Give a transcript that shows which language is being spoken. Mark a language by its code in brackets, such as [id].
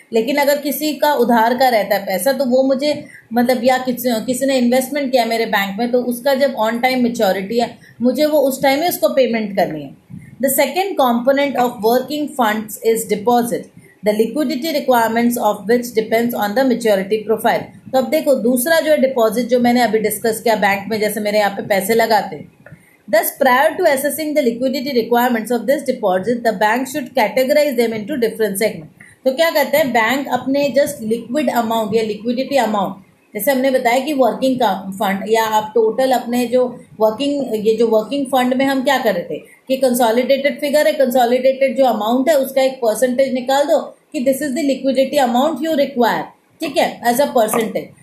[hi] लेकिन अगर किसी का उधार का रहता है पैसा, तो वो मुझे मतलब या किसी ने इन्वेस्टमेंट किया मेरे बैंक में, तो उसका जब ऑन टाइम मेच्योरिटी है, मुझे वो उस टाइम ही उसको पेमेंट करनी है. [en] The second component of working funds is deposit the liquidity requirements of which depends on the maturity profile. [hi] तो अब देखो दूसरा जो है डिपॉजिट, जो मैंने अभी डिस्कस किया बैंक में, जैसे मेरे यहाँ पे पैसे लगाते. [en] Thus, prior to assessing the liquidity requirements of this deposit, the bank should categorize them into different segments. [hi] तो क्या कहते हैं, बैंक अपने जस्ट लिक्विड अमाउंट या लिक्विडिटी अमाउंट, जैसे हमने बताया कि वर्किंग फंड या आप टोटल अपने जो वर्किंग, ये जो वर्किंग फंड में हम क्या कर रहे थे कि कंसोलिडेटेड फिगर है, कंसोलिडेटेड जो अमाउंट है उसका एक परसेंटेज निकाल दो कि [en] this is the liquidity amount you require, [hi] ठीक है, [en] As a percentage.